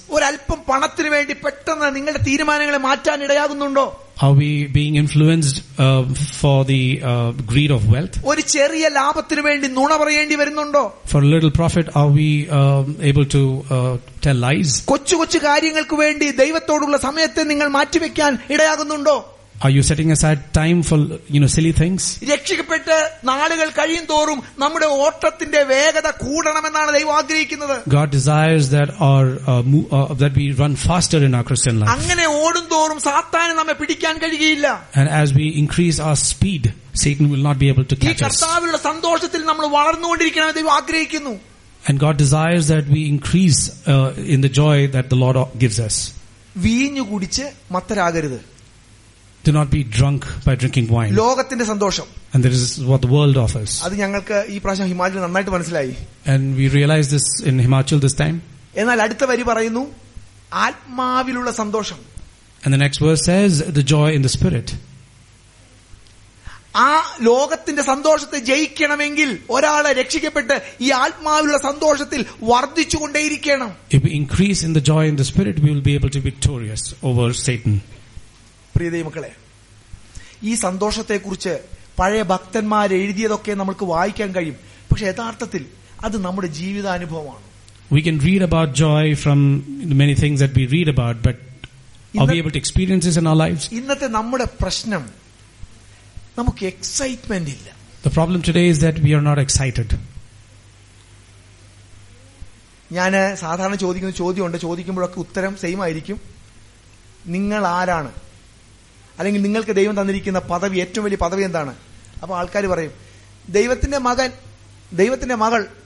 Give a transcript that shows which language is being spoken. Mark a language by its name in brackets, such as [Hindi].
[Malayalam] ഒരു അല്പം പണത്തിന് വേണ്ടി പെട്ടെന്ന് നിങ്ങളുടെ തീരുമാനങ്ങളെ മാറ്റാൻ ഇടയാകുന്നുണ്ടോ? [English] Are we being influenced for the greed of wealth? [Malayalam] ഒരു ചെറിയ ലാഭത്തിന് വേണ്ടി നുണ പറയേണ്ടി വരുന്നുണ്ടോ? [English] For a little profit, are we able to tell lies? [Malayalam] കൊച്ചു കാര്യങ്ങൾക്ക് വേണ്ടി ദൈവത്തോടുള്ള സമയത്തെ നിങ്ങൾ മാറ്റിവെക്കാൻ ഇടയാകുന്നുണ്ടോ? [English] Are you setting aside time for, you know, silly things? [Malayalam] രക്ഷിക്കപ്പെട്ട നാളുകൾ കഴിയും തോറും നമ്മുടെ ഓട്ടത്തിന്റെ വേഗത കൂടണമെന്നാണ് ദൈവം ആഗ്രഹിക്കുന്നത്. [English] God desires that that we run faster in our Christian life. [Malayalam] അങ്ങനെ ഓടും തോറും സാത്താന് നമ്മെ പിടിക്കാൻ കഴിയില്ല. [English] And as we increase our speed, Satan will not be able to catch us. [Malayalam] കർത്താവിലുള്ള സന്തോഷത്തിൽ നമ്മൾ വളർന്നുകൊണ്ടിരിക്കണമെന്ന് ദൈവം ആഗ്രഹിക്കുന്നു. [English] And God desires that we increase in the joy that the Lord gives us. [Malayalam] വീഞ്ഞു കുടിച്ച് മത്തരാകരുത്. [English] do not be drunk by drinking wine. [Malayalam] ലോകത്തിന്റെ സന്തോഷം. [English] And this is what the world offers. [Malayalam] അത് ഞങ്ങൾക്ക് ഈ പ്രാവശ്യം ഹിമാചലിൽ നന്നായിട്ട് മനസ്സിലായി. [English] And we realized this in Himachal this time. [Malayalam] എന്നാൽ അടുത്ത വരി പറയുന്നു ആത്മാവിലുള്ള സന്തോഷം. [English] And the next verse says the joy in the spirit. [Malayalam] ആ ലോകത്തിന്റെ സന്തോഷത്തെ ജയിക്കണമെങ്കിൽ ഒരാളെ രക്ഷിക്കപ്പെട്ട് ഈ ആത്മാവിലുള്ള സന്തോഷത്തിൽ വർദ്ധിച്ചുകൊണ്ടേയിരിക്കണം. [English] If we increase in the joy in the spirit, we will be able to be victorious over Satan. [Malayalam] പ്രിയദൈവമക്കളെ, ഈ സന്തോഷത്തെക്കുറിച്ച് പഴയ ഭക്തന്മാർ എഴുതിയതൊക്കെ നമുക്ക് വായിക്കാൻ കഴിയും. പക്ഷെ യഥാർത്ഥത്തിൽ അത് നമ്മുടെ ജീവിതാനുഭവമാണ്. [English] We can read about joy from the many things that we read about, but are we able to experience this in our lives? [Malayalam] ഇന്നത്തെ നമ്മുടെ പ്രശ്നം നമുക്ക് എക്സൈറ്റ്മെന്റ് ഇല്ല. [English] The problem today is that we are not excited. [Malayalam] ഞാൻ സാധാരണ ചോദിക്കുന്ന ചോദ്യമുണ്ട്, ചോദിക്കുമ്പോഴൊക്കെ ഉത്തരം സെയിം ആയിരിക്കും. നിങ്ങൾ ആരാണ്, അല്ലെങ്കിൽ നിങ്ങൾക്ക് ദൈവം തന്നിരിക്കുന്ന പദവി, ഏറ്റവും വലിയ പദവി എന്താണ്? അപ്പൊ ആൾക്കാർ പറയും ദൈവത്തിന്റെ മകൻ, ദൈവത്തിന്റെ മകൾ.